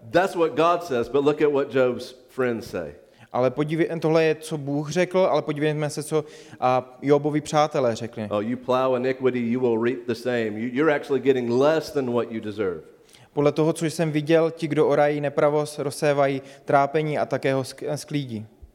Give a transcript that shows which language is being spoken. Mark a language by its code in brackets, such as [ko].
[en] That's what God says, but look at what Job's friends say. [cs] Ale podívejme, tohle je, co Bůh řekl, ale podívejme se, co Jobovi přátelé řekli. [en] Oh, you plow iniquity, you will reap the same. You're actually getting less than what you deserve. [cs] Podle toho, co jsem viděl, ti, kdo orají nepravost, rozsévají trápení a také ho sklídí.